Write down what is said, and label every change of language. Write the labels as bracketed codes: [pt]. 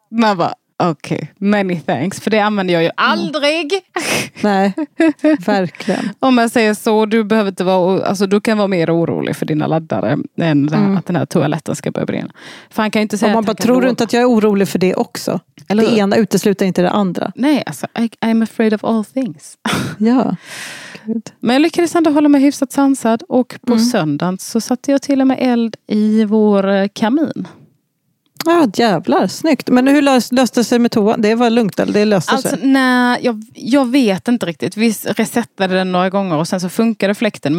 [sv] Man bara, okej, [en] many thanks. [sv] För det använder jag ju aldrig. Mm. Nej, verkligen. Om jag säger så, du behöver inte vara... Alltså, du kan vara mer orolig för dina laddare än det här, att den här toaletten ska börja brinna. För han kan inte säga... Om man bara, tror du inte att jag är orolig för det också? Eller det ena utesluter inte det andra. Nej, alltså, [en] I'm afraid of all things. [sv] Ja. [en] Good. [sv] Men jag lyckades ändå hålla mig hyfsat sansad. Och på söndagen så satte jag till och med eld i vår kamin. Ja, jävlar, snyggt. Men hur löste sig med toan? Det var lugnt, eller det löste alltså, sig? Alltså, nej, jag vet inte riktigt. Vi resettade den några gånger och sen så funkade fläkten.